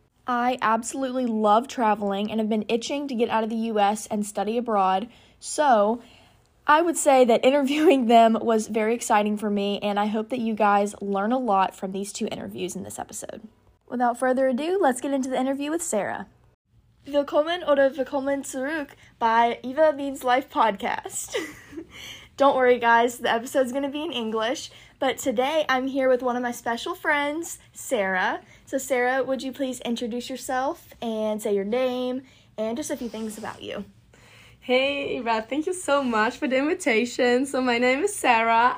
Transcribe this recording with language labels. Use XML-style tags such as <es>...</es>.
<en>I absolutely love traveling and have been itching to get out of the U.S. and study abroad, so I would say that interviewing them was very exciting for me, and I hope that you guys learn a lot from these two interviews in this episode. Without further ado, let's get into the interview with Sarah.</en> <de>Willkommen oder willkommen zurück by Eva Means Life Podcast.</de> <en>Don't worry, guys, the episode's going to be in English, but today I'm here with one of my special friends, Sarah. So Sarah, would you please introduce yourself and say your name and just a few things about you? Hey, Eva, thank you so much for the invitation. So my name is Sarah.</en>